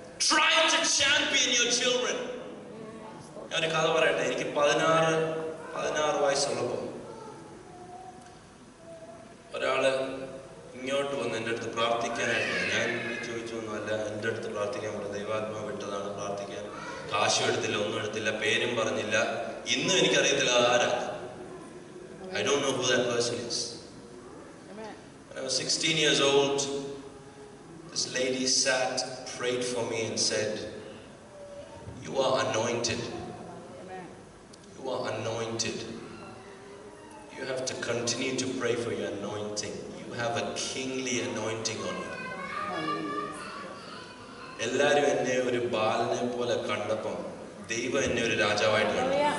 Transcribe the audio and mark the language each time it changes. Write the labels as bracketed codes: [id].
[en] Try to champion your children. [ml] ഞാൻ ഒരു കഥ പറയട്ടെ. എനിക്ക് 16 വയസ്സുള്ളപ്പോ ഒരാള് ഇങ്ങോട്ട് വന്ന് എൻ്റെ അടുത്ത് പ്രാർത്ഥിക്കാനായിട്ട് ഞാൻ ചോദിച്ചു ഒന്നുമല്ല, എൻ്റെ അടുത്ത് പ്രാർത്ഥിക്കാൻ പറഞ്ഞു. ദൈവാത്മാവ് വിട്ടതാണ് പ്രാർത്ഥിക്കാൻ. കാശും എടുത്തില്ല, ഒന്നും എടുത്തില്ല, പേരും പറഞ്ഞില്ല. ഇന്നും എനിക്കറിയത്തില്ല ആരാ. [en] I don't know who that person is. When I was 16 years old, this lady sat, prayed for me and said, you are anointed. You are anointed. You have to continue to pray for your anointing. You have a kingly anointing on you. [ml] എല്ലാരും എന്നെ ഒരു ബാലനെ പോലെ കണ്ടപ്പോ ദൈവം എന്നെ ഒരു രാജാവായിട്ട് കണ്ടു.